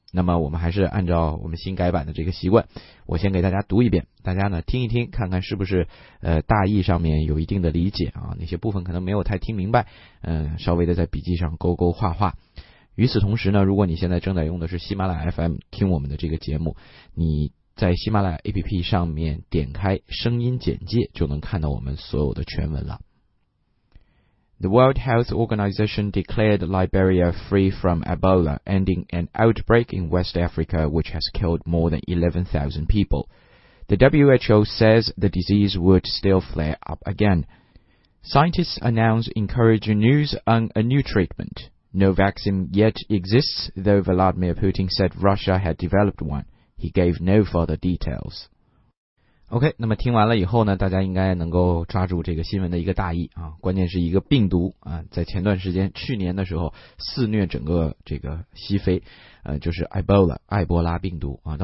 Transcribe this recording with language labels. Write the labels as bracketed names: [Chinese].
[Chinese] 那么我们还是按照我们新改版的这个习惯，我先给大家读一遍，大家呢听一听，看看是不是大意上面有一定的理解啊，那些部分可能没有太听明白，稍微的在笔记上勾勾画画。与此同时呢，如果你现在正在用的是喜马拉雅 FM 听我们的这个节目，你在喜马拉雅 APP 上面点开声音简介就能看到我们所有的全文了。 [English] The World Health Organization declared Liberia free from Ebola, ending an outbreak in West Africa which has killed more than 11,000 people. The WHO says the disease would still flare up again. Scientists announced encouraging news on a new treatment. No vaccine yet exists, though Vladimir Putin said Russia had developed one. He gave no further details. [Chinese] OK， 那么听完了以后呢，大家应该能够抓住这个新闻的一个大意啊，关键是一个病毒啊，在前段时间去年的时候肆虐整个这个西非，就是 Ebola 埃博拉病毒啊。